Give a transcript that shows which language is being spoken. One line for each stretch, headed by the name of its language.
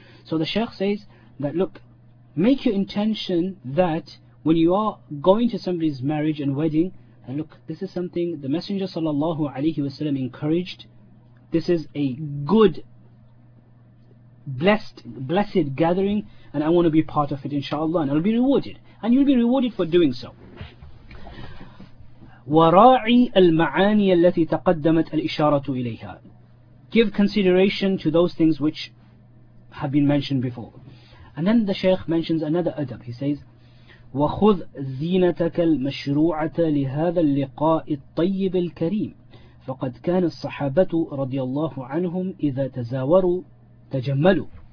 English: So the Shaykh says that, look, make your intention that when you are going to somebody's marriage and wedding, and look, this is something the Messenger sallallahu alaihi wasallam encouraged. This is a good, blessed gathering, and I want to be part of it, inshallah, and I'll be rewarded. And you'll be rewarded for doing so.
Arabic: وراعي المعاني التي تقدمت الإشارة إليها.
English: Give consideration to those things which have been mentioned before. And then the Shaykh mentions another adab. He says,
Arabic: وَخُذْ زِينَتَكَ الْمَشْرُوعَةَ لِهَذَا اللِّقَاءِ الطَّيِّبِ الْكَرِيمِ فَقَدْ كَانَ الصَّحَابَةُ رَضِيَ اللَّهُ عَنْهُمْ إِذَا تَزَاوَرُوا تَجَمَّلُوا.